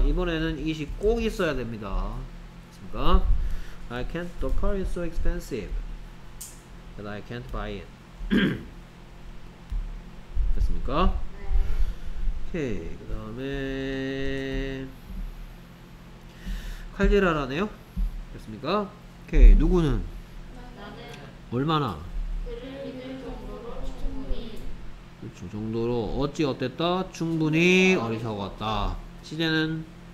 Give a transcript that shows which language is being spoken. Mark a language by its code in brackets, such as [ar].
[ko] 이번에는 it이 꼭 있어야 됩니다. 됐습니까? [en] I can't. The car is so expensive that I can't buy it. [ko] 됐습니까? 오케이. 네. 그 다음에 칼질하라네요? 됐습니까? 오케이. 누구는? 나는 얼마나? 그를 믿을 정도로 충분히. 그 정도로 어찌 어땠다? 충분히 어리석었다. 시제는?